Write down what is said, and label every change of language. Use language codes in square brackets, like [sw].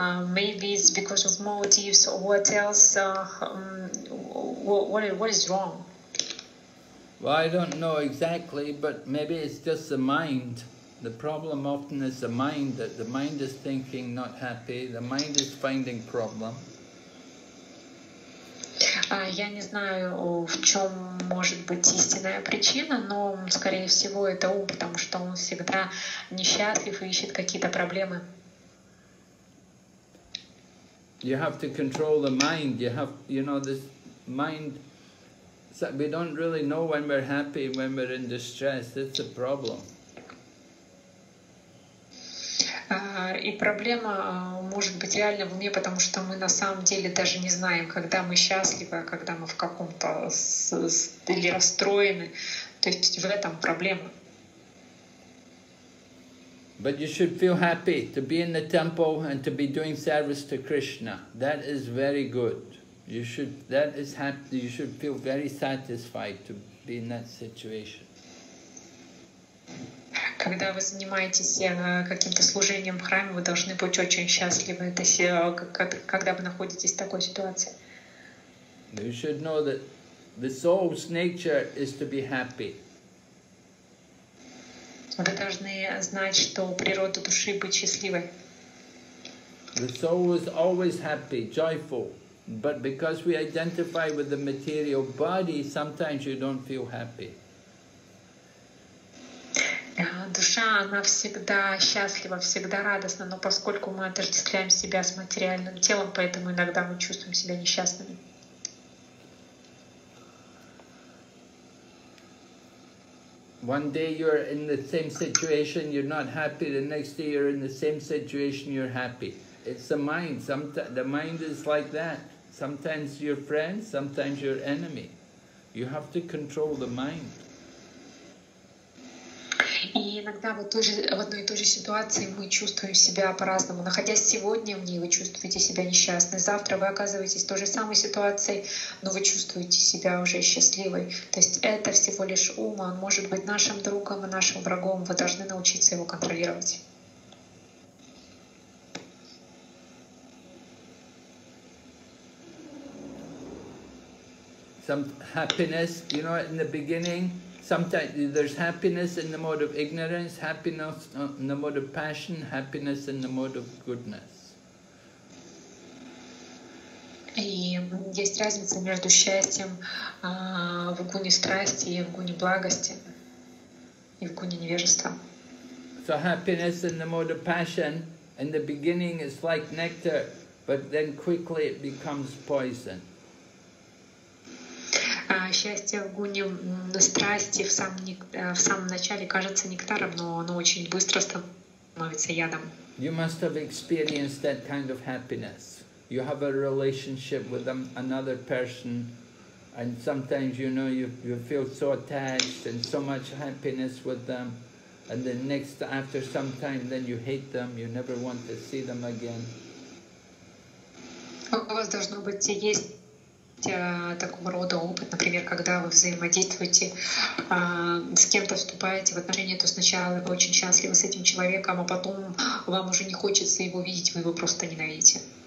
[en] Maybe it's because of motives or what else, what is wrong? Well, I don't know exactly, but maybe it's just the mind. The problem often is the mind, that the mind is thinking not happy, the mind is finding problem. [ru] Я не знаю, в чем может быть истинная причина, но, скорее всего, это ум, потому что он всегда несчастлив и ищет какие-то проблемы. [en] You have to control the mind. You have, you know, this mind So we don't really know when we're happy, when we're in distress. That's the problem. [ru] И проблема может быть реально в уме, потому что мы на самом деле даже не знаем, когда мы счастливы, а когда мы в каком-то или расстроены. То есть в этом проблема. [en] But you should feel happy to be in the temple and to be doing service to Krishna. That is very good. You should feel very satisfied to be in that situation. [ru] Когда вы занимаетесь каким-то служением в храме, вы должны быть очень счастливы, когда вы находитесь в такой ситуации. [en] You should know that the soul's nature is to be happy. [ru] Вы должны знать, что природа души быть счастливой. [en] The soul is always happy, joyful. But because we identify with the material body, sometimes you don't feel happy. [ru] Душа, она всегда счастлива, всегда радостна, но поскольку мы отождествляем себя с материальным телом, поэтому иногда мы чувствуем себя несчастными. [en] One day you're in the same situation, you're not happy, the next day you're in the same situation, you're happy. It's the mind, the mind is like that. Sometimes you're friends, sometimes you're enemy. You have to control the mind. [ru] И иногда в одной и той же ситуации мы чувствуем себя по-разному. Находясь сегодня в ней, вы чувствуете себя несчастной. Завтра вы оказываетесь в той же самой ситуации, но вы чувствуете себя уже счастливой. То есть это всего лишь ум, он может быть нашим другом и нашим врагом. Вы должны научиться его контролировать. [en] Some happiness, you know, in the beginning, sometimes there's happiness in the mode of ignorance, happiness in the mode of passion, happiness in the mode of goodness. [ru] И есть разница между счастьем в гуне страсти и в гуне благости, и в гуне невежества. [en] So happiness in the mode of passion, in the beginning it's like nectar, but then quickly it becomes poison. [ru] Счастье в гуне страсти в самом начале кажется нектаром, но оно очень быстро становится ядом. [en] You must have experienced that kind of happiness. You have a relationship with another person, and sometimes you know you feel so attached and so much happiness with them, and then next after some time, then you hate them. You never want to see them again. [ru] У вас должно быть есть такого рода опыт, например, когда вы взаимодействуете с кем-то, вступаете в отношения, то сначала вы очень счастливы с этим человеком, а потом вам уже не хочется его видеть, вы его просто ненавидите.